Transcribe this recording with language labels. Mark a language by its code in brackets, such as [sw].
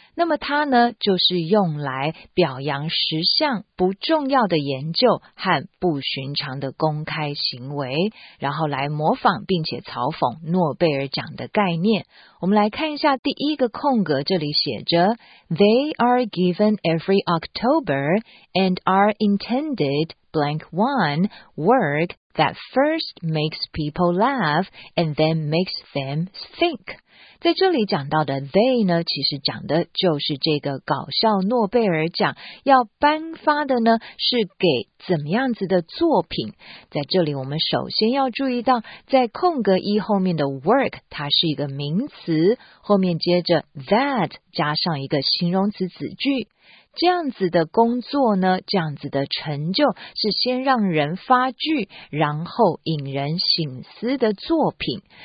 [zh] 那么它呢，就是用来表扬十项不重要的研究和不寻常的公开行为，然后来模仿并且嘲讽诺贝尔奖的概念。我们来看一下第一个空格，这里写着 [en] They are given every October and are intended blank one work that first makes people laugh and then makes them think。 [zh] 在这里讲到的 they 呢，其实讲的就是这个搞笑诺贝尔奖要颁发的呢，是给怎么样子的作品。在这里我们首先要注意到，在空格一后面的 work 它是一个名词，后面接着 that 加上一个形容词子句，这样子的工作呢，这样子的成就是先让人发句，然后引人醒思的作品。